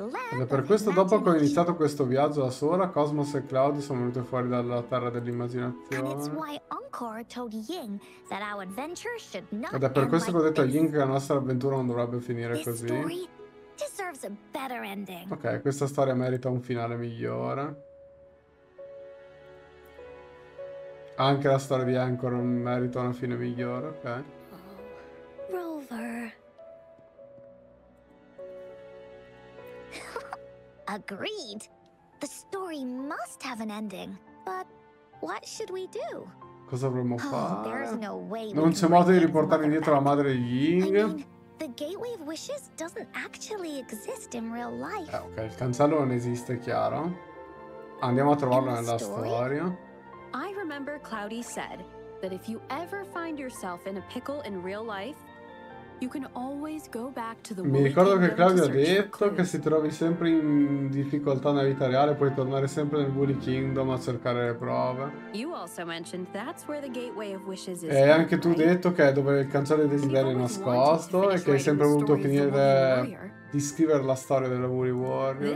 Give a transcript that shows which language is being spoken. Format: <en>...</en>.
<it>Ed è per questo dopo che ho iniziato questo viaggio da sola, Cosmos e Cloudy sono venuti fuori dalla terra dell'immaginazione.</it> <en>Kor told Ying that our adventure should not</en> <it>end. Ed è per questo che ho detto a Ying che la nostra avventura non dovrebbe finire così.</it> <en>Deserves a better ending.</en> <it>Ok, questa storia merita un finale migliore. Anche la storia di Anchor merita una fine migliore, ok.</it> <en>Oh, Rover. Agreed. The story must have an ending. But what should we do?</en> <it>Cosa dovremmo fare?</it> <en>There's no way.</en> <it>Non c'è modo di riportare indietro la madre di Ying.</it> <en>I mean, the Gateway of Wishes doesn't actually exist in real life.</en> <it>Ok, il cancello non esiste, chiaro. Andiamo a trovarlo nella storia.</it> <en>I remember Cloudy said that if you ever find yourself in a pickle in real life, you can always go back to the</en> <it>Mi ricordo che Cloudy ha detto che se trovi sempre in difficoltà nella vita reale, puoi tornare sempre nel Woolly Kingdom a cercare le prove.</it> <en>You also mentioned that's where the Gateway of Wishes is.</en> <it>E anche tu hai detto che è dove il cancello dei desideri è nascosto e che hai sempre voluto finire di scrivere la storia della Woolly Warrior.</it>